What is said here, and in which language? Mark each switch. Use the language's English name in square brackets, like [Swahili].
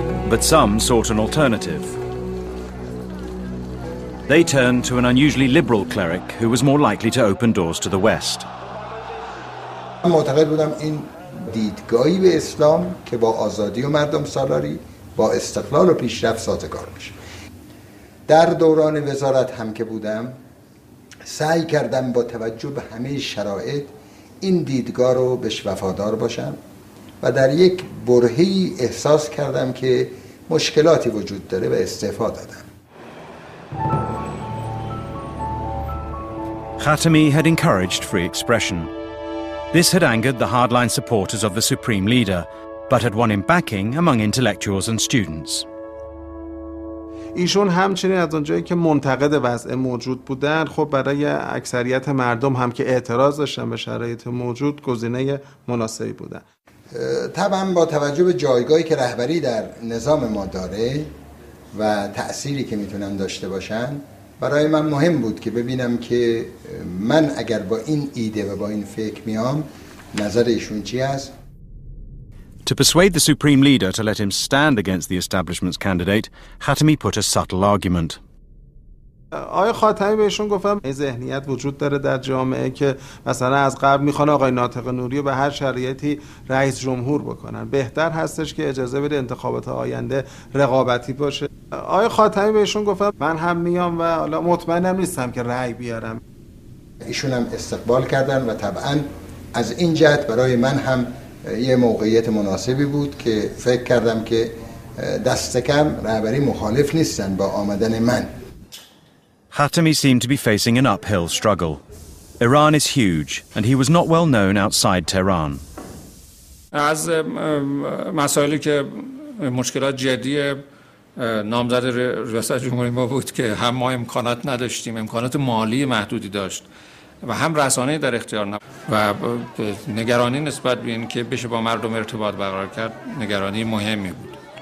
[English] But some sought an alternative. They turned to an unusually liberal cleric who was more likely to open doors to the West. [Persian] با استقلال و پیشرفت سازگار میشه. در دوران وزارت هم که بودم سعی کردم با توجه به همه شرایط این دیدگاه رو بهش وفادار باشم و در یک برهه احساس کردم که مشکلاتی وجود داره و استعفا دادم. [English] Khatami had encouraged free expression. This had angered the hardline supporters of the supreme leader, but had won him backing among intellectuals and students. [Persian] ایشون همچنین از اونجایی که منتقد وضع موجود بودن، خب برای اکثریت مردم هم که اعتراض داشتن به شرایط موجود گزینه مناسبی بودن. طبعا با توجه به جایگاهی که رهبری در نظام ما داره و تأثیری که میتونن داشته باشن، برای من مهم بود که ببینم که من اگر با این ایده و با این فکر میام، نظر ایشون چی است؟ [English] To persuade the supreme leader to let him stand against the establishment's candidate, Khatami put a subtle argument. [Persian] آقای خاتمی بهشون گفتم این ذهنیت وجود داره در جامعه که مثلا از قبل میخوان آقای ناطق نوری رو به هر شرایطی رئیس جمهور بکنن، بهتر هستش که اجازه بده انتخابات آینده رقابتی باشه. آقای خاتمی بهشون گفتم من هم میام و حالا مطمئنم نیستم که رأی بیارم. ایشون هم استقبال کردن و طبعا از این جهت برای من هم یه موقعیت مناسبی بود که فکر کردم که دست کم رهبری مخالف نیستن با آمدن من. [English] Khatami seemed to be facing an uphill struggle. Iran is huge, and he was not well known outside Tehran. [Persian] از مسائلی که مشکلات جدی نامزد ریاست جمهوری ما بود که هم ما امکانات نداشتیم، امکانات مالی محدودی داشت و هم رسانه در اختیار نبود و نگرانی نسبت به این که بشه با مردم ارتباط برقرار کرد نگرانی مهمی بود.